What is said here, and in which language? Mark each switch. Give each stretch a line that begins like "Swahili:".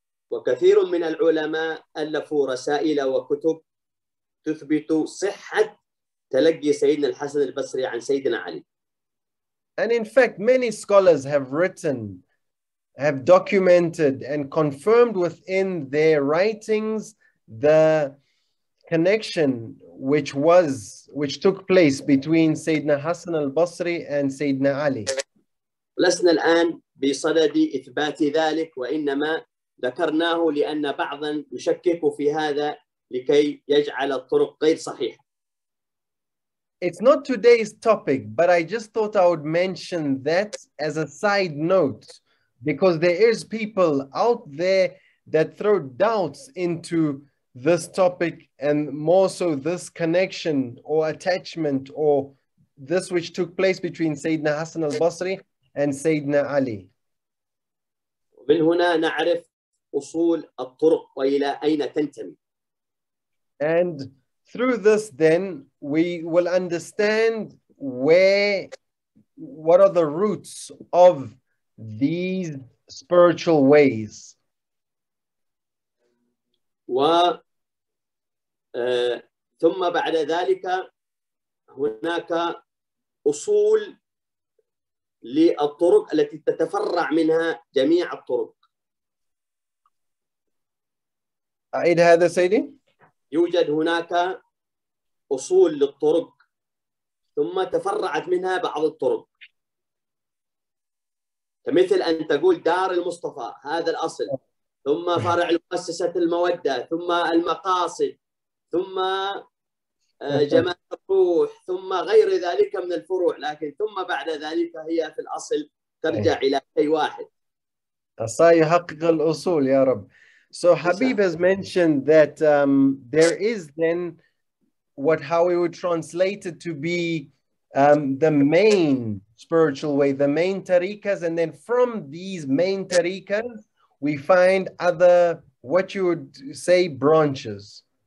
Arabic: وكثير من العلماء ألفوا رسائل وكتب تثبت صحة تلقي سيدنا الحسن البصري عن سيدنا علي.
English: And in fact, many scholars have written, have documented and confirmed within their writings the connection which was, which took place between Sayyidina Hassan al-Basri and Sayyidina Ali.
Arabic: لسنا الآن بصدد إثبات ذلك وإنما ذكرناه لأن بعضا يشكك في هذا لكي يجعل الطرق غير صحيحة.
English: It's not today's topic, but I just thought I would mention that as a side note, because there is people out there that throw doubts into this topic and more so this connection or attachment or this which took place between Sayyidina Hassan al-Basri and Sayyidina Ali.
Arabic: من هنا نعرف أصول الطرق وإلى أين تنتمي.
English: And through this then, we will understand where, what are the roots of these spiritual ways.
Arabic: ثم بعد ذلك هناك أصول للطرق التي تتفرع منها جميع الطرق. أعيد هذا سيدي. يوجد هناك أصول للطرق ثم تفرعت منها بعض الطرق. كمثل أن تقول دار المصطفى هذا الأصل ثم فرع المؤسسة المودة ثم المقاصد ثم جمال الروح ثم غير ذلك من الفروع لكن ثم بعد ذلك هي في الأصل ترجع إلى أي واحد سيحقق الأصول يا رب.
English: So Habib has mentioned that there is then what how we would translate it to be the main spiritual way, the main tariqas, and then from these main tariqas, we find other, what you would say, branches.